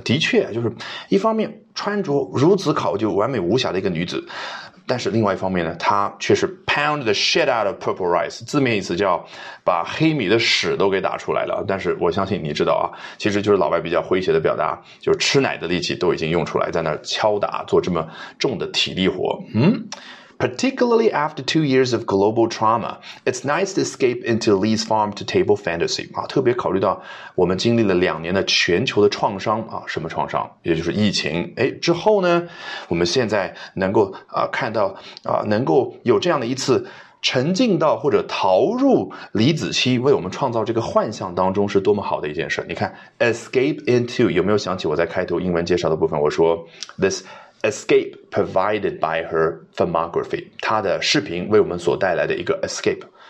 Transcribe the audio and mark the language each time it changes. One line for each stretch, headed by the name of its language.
Chinese: 的确就是一方面穿着如此考究完美无瑕的一个女子，但是另外一方面呢，她却是
English: pound the shit out of purple rice，
Chinese: 字面意思叫把黑米的屎都给打出来了。但是我相信你知道其实就是老外比较诙谐的表达，就是吃奶的力气都已经用出来，在那敲打做这么重的体力活。
English: particularly after 2 years of global trauma. It's nice to escape into Lee's farm to table fantasy.
Chinese: 啊，特别考虑到我们经历了两年的全球的创伤，啊，什么创伤？也就是疫情。诶，之后呢，我们现在能够，看到，能够有这样的一次沉浸到或者逃入李子柒为我们创造这个幻象当中是多么好的一件事。你看 escape into, 有没有想起我在开头英文介绍的部分，我说
English: this escape provided by her filmography,
Chinese: 她的视频为我们所带来的一个 escape。